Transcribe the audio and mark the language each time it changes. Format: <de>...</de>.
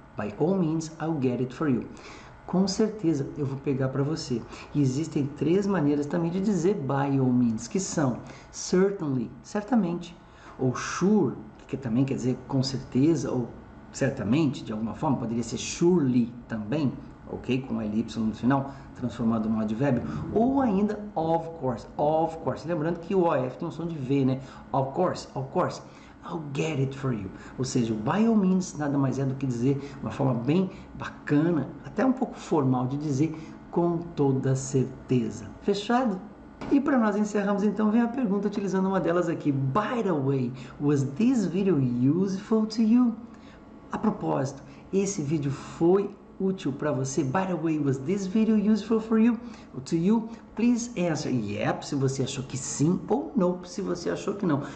<en>By all means, I'll get it for you.</en> <pt>Com certeza eu vou pegar para você. E existem três maneiras também de dizer by all means, que são certainly, certamente, ou sure, que também quer dizer com certeza, ou certamente, de alguma forma, poderia ser surely também, ok? Com um ly no final, transformado num advérbio. Ou ainda, of course, of course. Lembrando que o OF tem um som de V, né? Of course, of course.</pt> <en>I'll get it for you.</en> <pt>Ou seja, o by all means nada mais é do que dizer, uma forma bem bacana, até um pouco formal de dizer, com toda certeza. Fechado? E para nós encerrarmos, então, vem a pergunta utilizando uma delas aqui.</pt> <en>By the way, was this video useful to you?</en> <pt>A propósito, esse vídeo foi útil para você?</pt> <en>By the way, was this video useful for you? Or to you? Please answer yep</en> <pt>se você achou que sim ou não, se você achou que não.</pt>